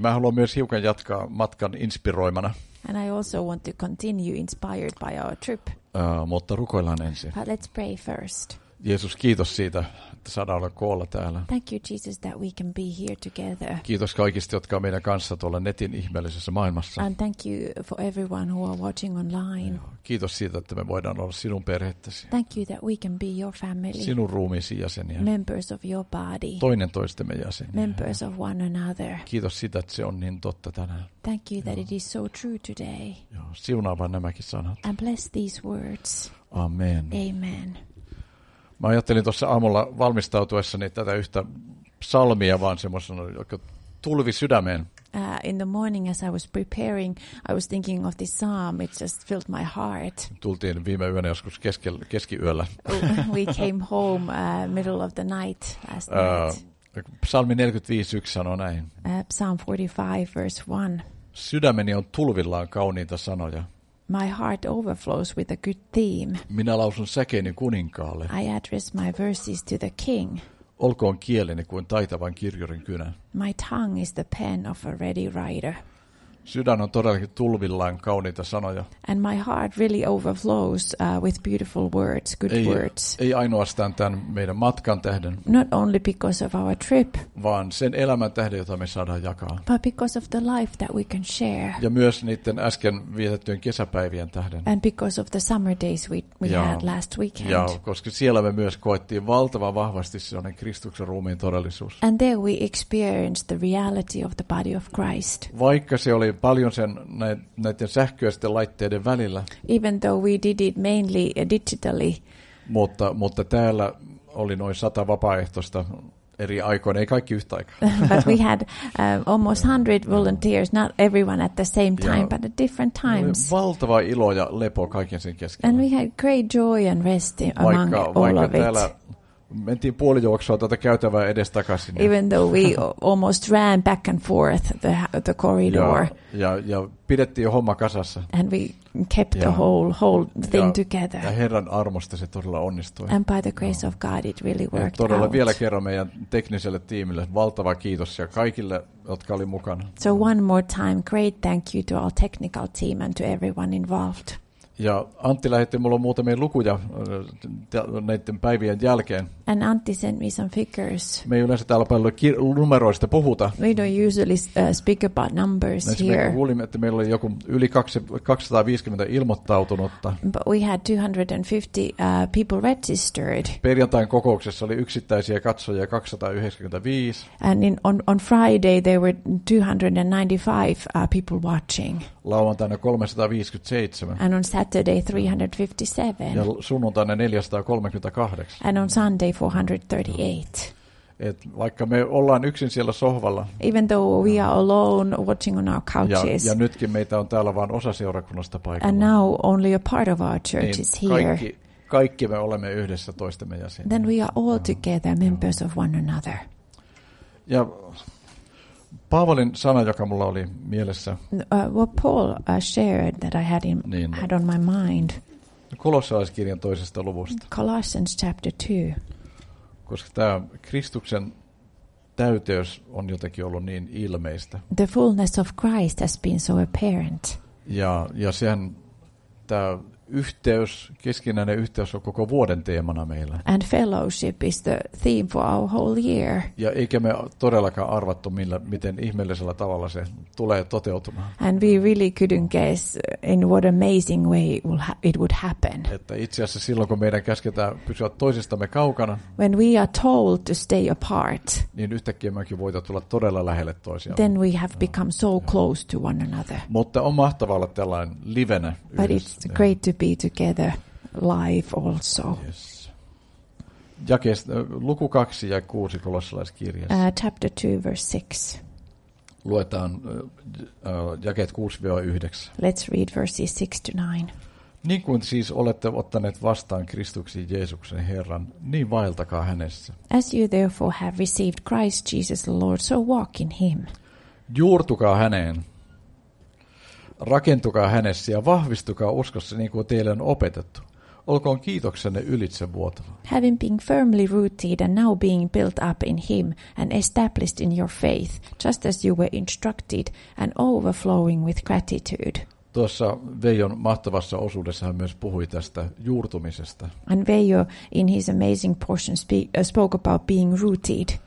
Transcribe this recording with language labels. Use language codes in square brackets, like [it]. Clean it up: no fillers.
[fi] Mä haluan myös hiukan jatkaa matkan inspiroimana. [en] And I also want to continue inspired by our trip. [fi] Mutta rukoillaan ensin. [en] But let's pray first. [fi] Jeesus, kiitos siitä, että saadaan olla koolla täällä. [en] Thank you, Jesus, that we can be here together. [fi] Kiitos kaikista, jotka on meidän kanssa tuolla netin ihmeellisessä maailmassa. [en] And thank you for everyone who are watching online. [fi] Kiitos siitä, että me voidaan olla sinun perhettäsi. [en] Thank you that we can be your family. [fi] Sinun ruumiisi jäseniä. [en] Members of your body. [fi] Toinen toistemme jäseniä. [en] Members of one another. [fi] Kiitos siitä, että se on niin totta tänään. [en] Thank you that it is so true today. [fi] Siunaa vaan nämäkin sanat. [en] And bless these words. [fi] Amen. [en] Amen. [fi] Mä ajattelin tuossa aamulla valmistautuessani tätä yhtä psalmia vaan semmoisena, joka tulvi sydämeen. [en] In the morning as I was preparing, I was thinking of this psalm. It just filled my heart. [fi] Tultiin viime yönä joskus keskiyöllä. [en] We came home middle of the night last night. [fi] Psalmi 45:1 sanoo näin. [en] Psalm 45 verse 1. [fi] Sydämeni on tulvillaan kauniita sanoja. [en] My heart overflows with a good theme. [fi] Minä lausun säkeeni kuninkaalle. [en] I address my verses to the king. [fi] Olkoon kieleni kuin taitavan kirjurin kynä. [en] My tongue is the pen of a ready writer. [fi] Sydän on todellakin tulvillaan kauniita sanoja. [en] And my heart really overflows with beautiful words, good [fi] ei, [en] words. [fi] Ei ainoastaan tämän meidän matkan tähden. [en] Not only because of our trip. [fi] Vaan sen elämän tähden, jota me saadaan jakaa. [en] But because of the life that we can share. [fi] Ja myös niiden äsken vietettyjen kesäpäivien tähden. [en] And because of the summer days we had last weekend. [fi] Ja koska siellä me myös koettiin valtavan vahvasti sellainen Kristuksen ruumiin todellisuus. [en] And there we experienced the reality of the body of Christ. [fi] Vaikka se oli paljon sen näiden sähköisten laitteiden välillä. [en] Even though we did it mainly digitally. [fi] Mutta täällä oli noin 100 vapaaehtoista eri aikoina, ei kaikki yhtä aikaa. [en] But we had almost 100 volunteers, not everyone at the same time, but at different times. [fi] Oli valtava ilo ja lepo kaiken sen keskellä. [en] And we had great joy and rest among all of it. [fi] Mentiin puoli juoksua tätä käytävää edestakaisin. [en] Even though we almost ran back and forth the corridor. [fi] Ja pidettiin homma kasassa. [en] And we kept the whole thing together. [fi] Ja Herran armosta se todella onnistui. [en] And by the grace of God it really worked out. [fi] Todella vielä kerran meidän tekniselle tiimille valtava kiitos ja kaikille, jotka oli mukana. [en] So one more time, great thank you to our technical team and to everyone involved. [fi] Ja Antti lähetti mulle muutamia lukuja näiden päivien jälkeen. [en] And Antti sent me some figures. [fi] Me ei yleensä täällä paljon numeroista puhuta. [en] We don't usually speak about numbers here. [fi] Me kuulimme, että meillä oli joku yli 250 ilmoittautunutta. [en] But we had 250 people registered. [fi] Perjantain kokouksessa oli yksittäisiä katsojia 295. [en] And on Friday there were 295 people watching. [fi] Lauantaina 357. [en] And on Saturday 357. [fi] Ja sunnuntaina 438. [en] And on Sunday 438. [fi] Et vaikka me ollaan yksin siellä sohvalla. [en] Even though we are alone watching on our couches. [fi] Ja nytkin meitä on täällä vain osa seurakunnasta paikalla. [en] And now only a part of our church is here. [fi] Kaikki me olemme yhdessä toistemme jäseniä. [en] Then we are all together members of one another. [fi] Ja Paavalin sana, joka mulla oli mielessä. [en] What Paul shared that I had in, niin, had on my mind. [fi] Kolossalaiskirjan toisesta luvusta. [en] Colossians chapter 2. [fi] Koska tämä Kristuksen täyteys on jotenkin ollut niin ilmeistä. [en] The fullness of Christ has been so apparent. [fi] Ja sehän tämä yhteys, keskinäinen yhteys on koko vuoden teemana meillä. [en] And fellowship is the theme for our whole year. [fi] Ja eikä me todellakaan arvattu, miten ihmeellisellä tavalla se tulee toteutumaan. [en] And we really couldn't guess in what amazing way it would happen. [fi] Että itse asiassa silloin, kun meidän käsketään pysyä toisistamme kaukana, [en] when we are told to stay apart, [fi] niin yhtäkkiä mekin voidaan tulla todella lähelle toisiaan. [en] Then we have become so close to one another. [fi] Mutta on mahtavaa olla tällainen livenä yhdessä. [en] To be together live also. Yes. [fi] Luku 2 ja 6 Kolossalaiskirjassa. [en] Chapter 2 verse 6. [fi] Luetaan jakeet 6-9. [en] Let's read verses 6 to 9. [fi] Niin kuin siis olette ottaneet vastaan Kristuksen Jeesuksen Herran, niin vaeltakaa hänessä. [en] As you therefore have received Christ Jesus the Lord, so walk in him. [fi] Juurtukaa häneen. Rakentukaa hänessä ja vahvistukaa uskossa niin kuin teille on opetettu. Olkoon kiitoksenne ylitse vuotava. [en] Having been firmly rooted and now being built up in him and established in your faith, just as you were instructed and overflowing with gratitude. [fi] Tuossa Veijon mahtavassa osuudessa hän myös puhui tästä juurtumisesta. [en] And Veijo in his amazing portion spoke about being rooted.